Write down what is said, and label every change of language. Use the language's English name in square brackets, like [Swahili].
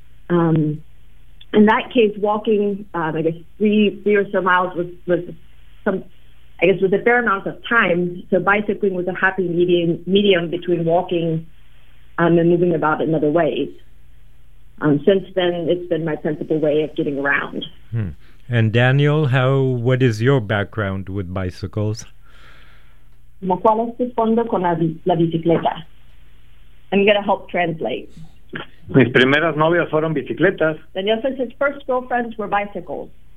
[English] In that case, walking, I guess, three or so miles was a fair amount of time, so bicycling was a happy medium between walking and moving about in other ways. Since then, it's been my principal way of getting around. And Daniel, what is your background with bicycles? [Spanish] ¿Cuál es tu fondo con la bicicleta? [English] I'm going to help translate. [Spanish] Mis primeras novias fueron bicicletas. [English] Daniel says his first girlfriends were bicycles.